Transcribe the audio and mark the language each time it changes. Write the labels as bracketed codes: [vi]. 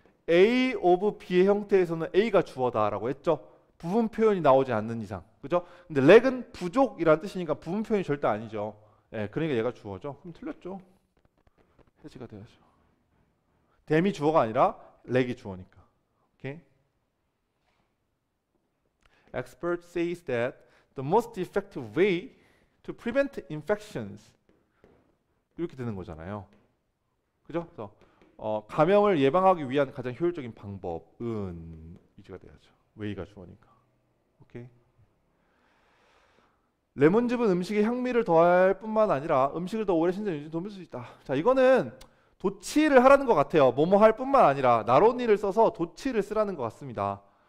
[ko] A of B의 형태에서는 A가 주어다라고 했죠. 부분 표현이 나오지 않는 이상. 그죠? 근데 lack은 부족이란 뜻이니까 부분 표현이 절대 아니죠. 예, 그러니까 얘가 주어죠. 그럼 틀렸죠. 해지가 돼야죠. them이 주어가 아니라 lack이 주어니까. 오케이? [en] Expert says that the most effective way to prevent infections [ko] 이렇게 되는 거잖아요. 그죠? 그래서 감염을 예방하기 위한 가장 효율적인 방법은 위치가 돼야죠. way가 주어니까. 오케이. 레몬즙은 음식에 향미를 더할 뿐만 아니라 음식을 더 오래 신선 유지에 도움을 줄수 있다. 자, 이거는 도치를 하라는 것 같아요. 뭐뭐 할 뿐만 아니라 나로니를 써서 도치를 쓰라는 것 같습니다.